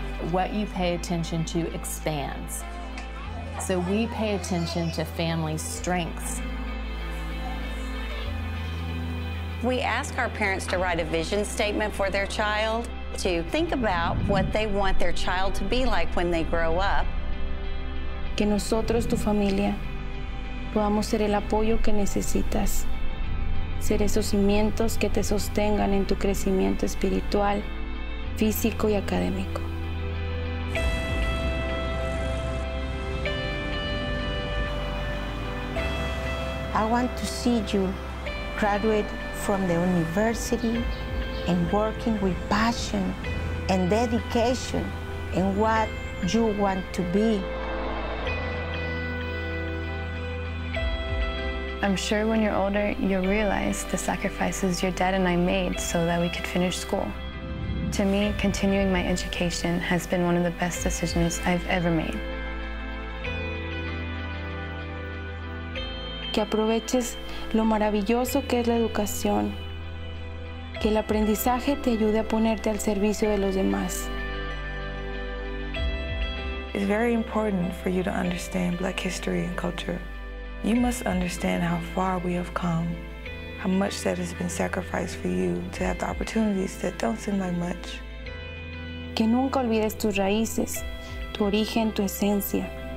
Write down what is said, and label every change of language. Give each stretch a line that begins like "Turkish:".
English: What you pay attention to expands. So we pay attention to family strengths. We ask our parents to write a vision statement for their child, to think about what they want their child to be like when they grow up.
Spanish: Que nosotros, tu familia, podamos ser el apoyo que necesitas. Ser esos cimientos que te sostengan en tu crecimiento espiritual, físico y académico.
English: I want to see you graduate from the university and working with passion and dedication in what you want to be. I'm sure when you're older, you'll realize the sacrifices your dad and I made so that we could finish school. To me, continuing my education has been one of the best decisions I've ever made.
Spanish: Que aproveches lo maravilloso que es la educación. Que el aprendizaje te ayude a ponerte al servicio de los demás.
English: It's very important for you to understand Black history and culture. You must understand how far we have come, how much that has been sacrificed for you to have the opportunities that don't seem like much.
Spanish: Que nunca olvides tus raíces, tu origen, tu esencia.